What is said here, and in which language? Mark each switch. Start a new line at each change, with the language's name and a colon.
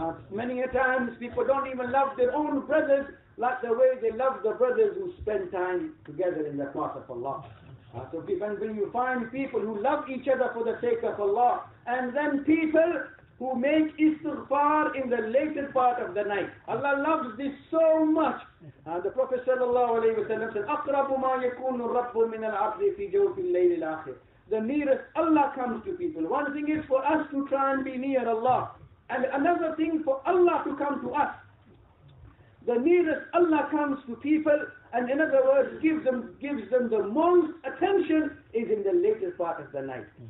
English: Many a times, people don't even love their own brothers like the way they love the brothers who spend time together in the path of Allah. So when you find people who love each other for the sake of Allah, and then people who make istighfar in the later part of the night. Allah loves this so much. The Prophet sallallahu alayhi wa sallam said,
Arabic: أَقْرَبُ مَا يَكُونُ الرَّبُّ مِنَ الْعَبْدِ فِي جَوْفِ اللَّيْلِ الْآخِرِ.
English: The nearest Allah comes to people. One thing is for us to try and be near Allah. And another thing for Allah to come to us. The nearest Allah comes to people, and in other words, gives them the most attention is in the later part of the night.